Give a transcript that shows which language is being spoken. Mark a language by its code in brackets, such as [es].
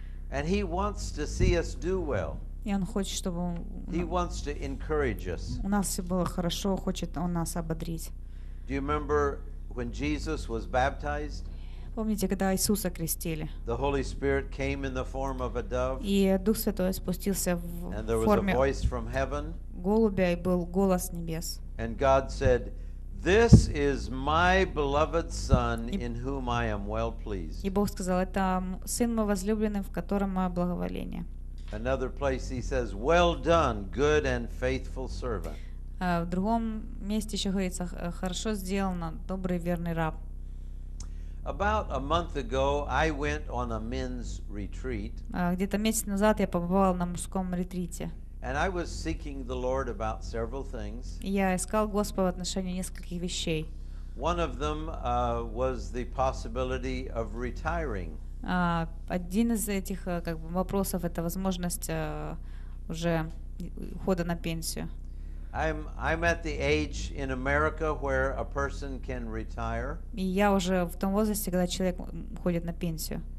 [en] And he wants to see us do well. [ru] И он хочет, чтобы [en] He wants to encourage us. [ru] У нас все было хорошо, хочет он нас ободрить. [en] Do you remember when Jesus was baptized? [ru] Помните, когда Иисуса крестили? [en] The Holy Spirit came in the form of a dove. [ru] И Дух Святой спустился в форме. [en] And there was a voice from heaven. [ru] Голубя, и был голос небес. [en] And God said, "This is my beloved Son, in whom I am well pleased." [ru] И Бог сказал, это сын мой возлюбленный, в котором мое благоволение. [en] Another place he says, "Well done, good and faithful servant." [ru] В другом месте еще говорится, хорошо сделано, добрый верный раб. [en] About a month ago, I went on a men's retreat. [ru] Где-то месяц назад я побывал на мужском ретрите. [en] And I was seeking the Lord about several things. [ru] Я искал Господа в отношении нескольких вещей. [en] One of them was the possibility of retiring. [ru] Один из этих как бы вопросов — это возможность уже ухода на пенсию. [en] I'm at the age in America where a person can retire. [ru] И я уже в том возрасте, когда человек уходит на пенсию.